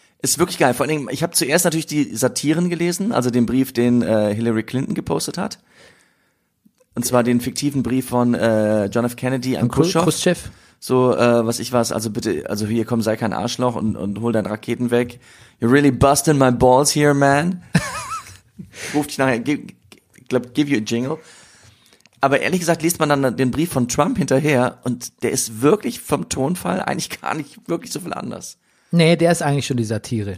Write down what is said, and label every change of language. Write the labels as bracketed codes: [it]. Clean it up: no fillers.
[de] Ist wirklich geil. Vor allen Dingen, ich habe zuerst natürlich die Satiren gelesen, also den Brief, den Hillary Clinton gepostet hat. Und zwar den fiktiven Brief von John F. Kennedy an Khrushchev. So, was ich weiß, also bitte, also hier komm, sei kein Arschloch und hol deine Raketen weg. [en] You're really busting my balls here, man. [de] Ruf dich nachher, [en] give you a jingle. [de] Aber ehrlich gesagt, liest man dann den Brief von Trump hinterher und der ist wirklich vom Tonfall eigentlich gar nicht wirklich so viel anders. Nee, der ist eigentlich schon die Satire.